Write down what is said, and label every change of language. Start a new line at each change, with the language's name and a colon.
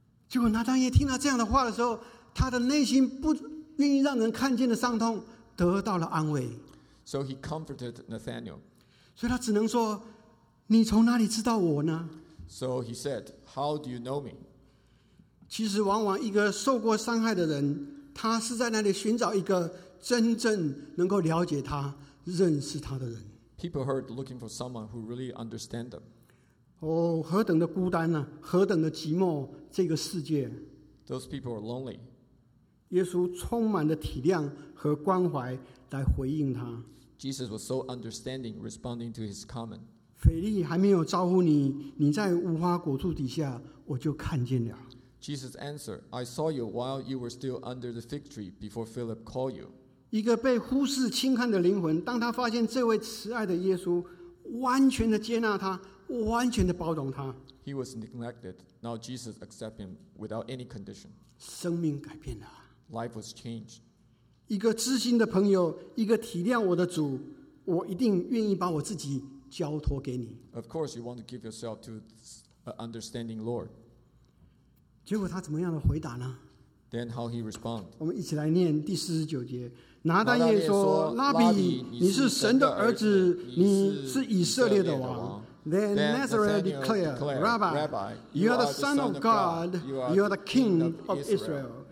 Chinese: 结果拿单也听到这样的话的时候， 他的内心不愿意让人看见的伤痛， 得到了安慰。
English: So he comforted Nathanael.
Chinese: 所以他只能说， 你从哪里知道我呢？
English: So he said, how do you know me?
Chinese: 其实往往一个受过伤害的人， 他是在那里寻找一个真正能够了解他， 认识他的人。
English: People hurt looking for someone who really understands them.
Chinese: 哦，何等的孤单啊， 何等的寂寞， 这个世界。
English: Those people are lonely.
Chinese: 耶稣充满了体谅和关怀来回应他。
English: Jesus was so understanding, responding to his comment.
Chinese: 腓力还没有招呼你， 你在无花果树底下， 我就看见了。
English: Jesus answered, I saw you while you were still under the fig tree before Philip called you.
Chinese: 一个被忽视轻看的灵魂， 当他发现这位慈爱的耶稣， 完全的接纳他， 完全的包容他。
English: He was neglected. Now Jesus accepted him without any condition.
Chinese: 生命改变了。
English: Life was changed.
Chinese: 一个知心的朋友， 一个体谅我的主， 我一定愿意把我自己交托给你。
English: Of course you want to give yourself to an understanding Lord.
Chinese: 结果他怎么样的回答呢？
English: Then how he respond?
Chinese: 我们一起来念第49节。拿单也说，拉比，你是神的儿子，你是以色列的王。
English: Then Nazareth declared, Rabbi, you are the Son of God, you are the King of Israel.